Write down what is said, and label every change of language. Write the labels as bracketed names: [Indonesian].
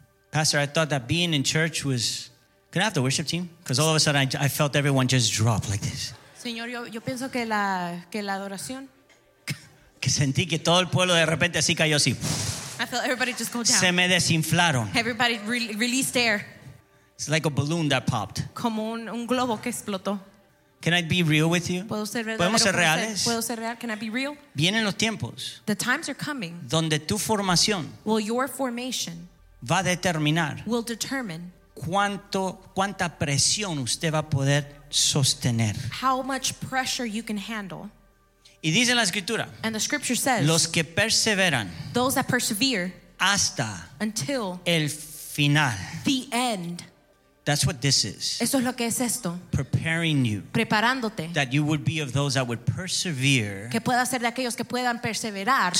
[English] Pastor, I thought that being in church was, can I have the worship team? Because all of a sudden I felt everyone just drop like this. [Spanish] Señor, yo pienso que la adoración. Que sentí que todo el pueblo de repente así cayó así. [English] I felt everybody just go down. [Spanish] Se me desinflaron. [English] Everybody released air. It's like a balloon that popped. [Spanish] Como un globo que explotó. [English] Can I be real with you? [Spanish] ¿Puedo ser verdadero? ¿Podemos ser reales? ¿Puedo ser real? [English] Can I be real? [Spanish] Vienen los tiempos. [English] The times are coming. [Spanish] Donde tu formación. [English] Well, your formation. [Spanish] Va a determinar. [English] Will determine. [Spanish] Cuánta presión usted va a poder sostener. [English] How much pressure you can handle. [Spanish] Y dice la escritura. [English] And the scripture says. [Spanish] Los que perseveran. [English] Those that persevere. [Spanish] Hasta. [English] Until. [Spanish] El final. [English] The end. That's what this is. [Spanish] Eso es lo que es esto. [English] Preparing you. [Spanish] Preparándote. [English] That you would be of those that would persevere. [Spanish] Que pueda ser de aquellos que puedan perseverar.